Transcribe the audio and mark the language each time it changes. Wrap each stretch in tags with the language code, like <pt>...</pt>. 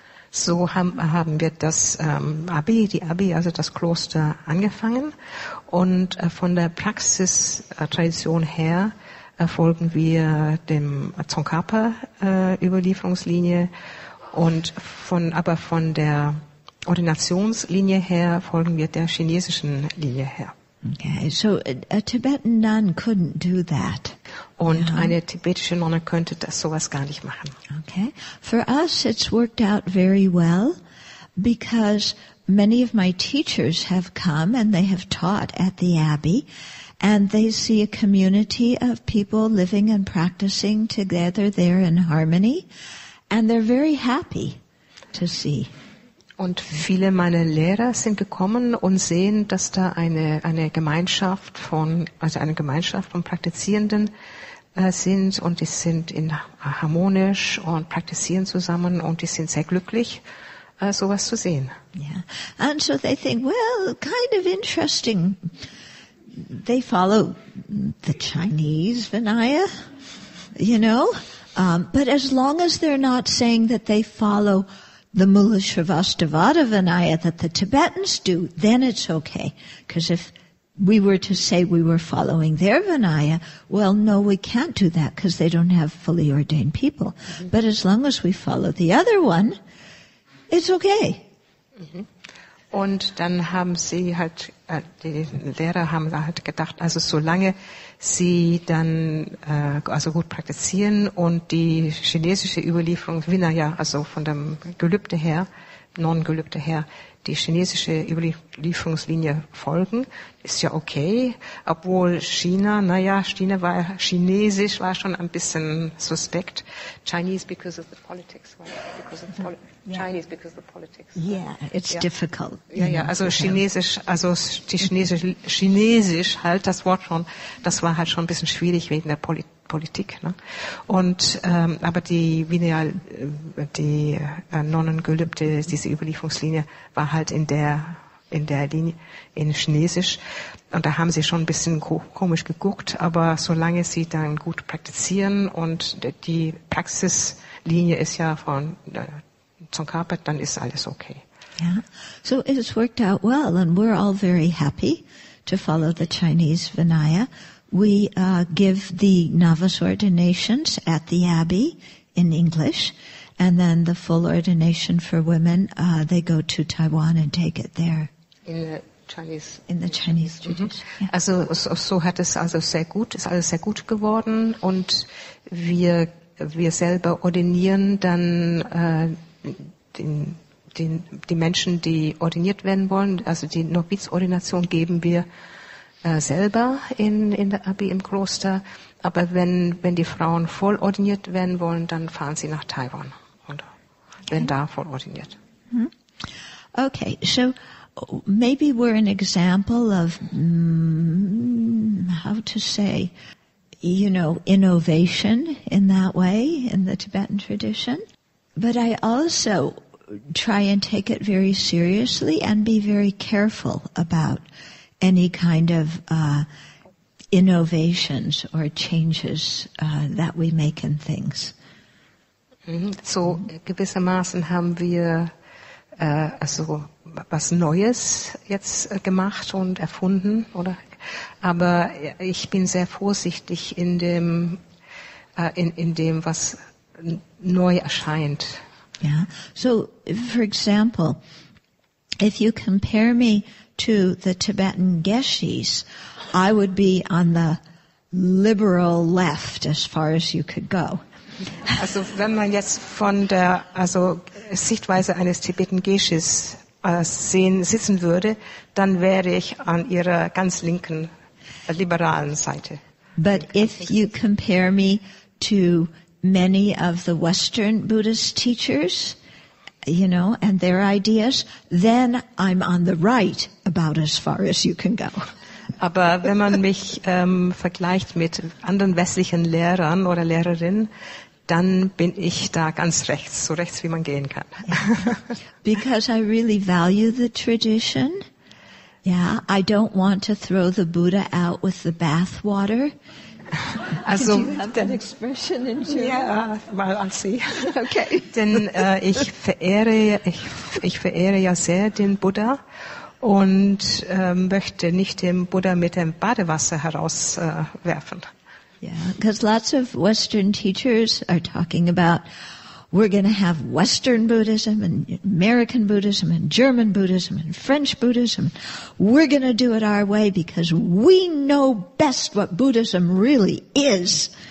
<de>So haben wir das Abbey, also das Kloster, angefangen, und von der Praxis Tradition her folgen wir dem Tsongkhapa Überlieferungslinie, aber von der Ordinationslinie her folgen wir der chinesischen Linie her.</de> <en>Okay, so a Tibetan nun couldn't do that.</en> <de>Und yeah. Eine tibetische Nonne könnte das sowas gar nicht machen.</de> <en>Okay, for us it's worked out very well, because many of my teachers have come and they have taught at the Abbey, and they see a community of people living and practicing together there in harmony, and they're very happy to see.</en> <de>Und viele meiner Lehrer sind gekommen und sehen, dass da eine Gemeinschaft von Praktizierenden sind, und die sind harmonisch und praktizieren zusammen, und die sind sehr glücklich, sowas zu sehen.</de> <en>Yeah. And so they think, well, kind of interesting. They follow the Chinese Vinaya, you know. But as long as they're not saying that they follow the Mula Srivastavada Vinaya that the Tibetans do, then it's okay. Because if we were to say we were following their Vinaya, well, no, we can't do that because they don't have fully ordained people. Mm-hmm. But as long as we follow the other one, it's okay. Mm-hmm.</en> <de>Und dann haben sie halt, die Lehrer haben halt gedacht, also solange sie dann also gut praktizieren und die chinesische Überlieferung, Vinaya, also von dem Gelübde her, Non-Gelübde her, die chinesische Überlieferungslinie folgen, ist ja okay. Obwohl China, naja, China war, Chinesisch war schon ein bisschen suspekt.</de> <en>Chinese because of the politics, Chinese because of the politics. Yeah, it's difficult.</en> <de>Ja, ja, also Chinesisch, also die Chinesisch, Chinesisch halt das Wort schon, das war halt schon ein bisschen schwierig wegen der Politik, ne? Und aber die Vinaya, die Nonnengelübde, diese Überlieferungslinie war halt in der Linie in Chinesisch, und da haben sie schon ein bisschen komisch geguckt, aber solange sie dann gut praktizieren und die Praxislinie ist ja von Tsongkhapa, dann ist alles okay.</de> <en>Yeah. So it's worked out well and we're all very happy to follow the Chinese Vinaya. We give the novice ordinations at the Abbey in English, and then the full ordination for women, they go to Taiwan and take it there. In the Chinese tradition. Mm-hmm. Yeah.</en> <de>Also so hat es also sehr gut, ist alles sehr gut geworden, und wir selber ordinieren dann die Menschen, die ordiniert werden wollen, also die Novizordination geben wir selber in der Abbey im Kloster, aber wenn die Frauen voll ordiniert werden wollen, dann fahren sie nach Taiwan und werden da voll ordiniert.</de> <en>Okay, so maybe we're an example of how to say, you know, innovation in that way in the Tibetan tradition. But I also try and take it very seriously and be very careful about any kind of innovations or changes that we make in things.</en> <de>So gewissermaßen haben wir also was Neues jetzt gemacht und erfunden, oder? Aber ich bin sehr vorsichtig in dem was neu erscheint.</de> <en>Yeah. So for example, if you compare me to the Tibetan Geshe's, I would be on the liberal left as far as you could go.</en> <de>Also wenn man jetzt von der also Sichtweise eines Tibetan Geshe's sitzen würde, dann wäre ich an ihrer ganz linken liberalen Seite.</de> <en>But if you compare me to many of the Western Buddhist teachers, you know, and their ideas, then I'm on the right about as far as you can go.</en> <de>Aber wenn man mich vergleicht mit anderen westlichen Lehrern oder Lehrerinnen, dann bin ich da ganz rechts, so rechts wie man gehen kann.</de> <en>Yeah. Because I really value the tradition. Yeah, I don't want to throw the Buddha out with the bathwater.</en> <de>Also, denn, expression in ja, mal an Sie.</de> <en>Okay.</en> <de>Denn ich verehre ja sehr den Buddha und möchte nicht den Buddha mit dem Badewasser herauswerfen.</de> <en>Yeah, because lots of Western teachers are talking about we're going to have Western Buddhism and American Buddhism and German Buddhism and French Buddhism. We're going to do it our way because we know best what Buddhism really is.</en>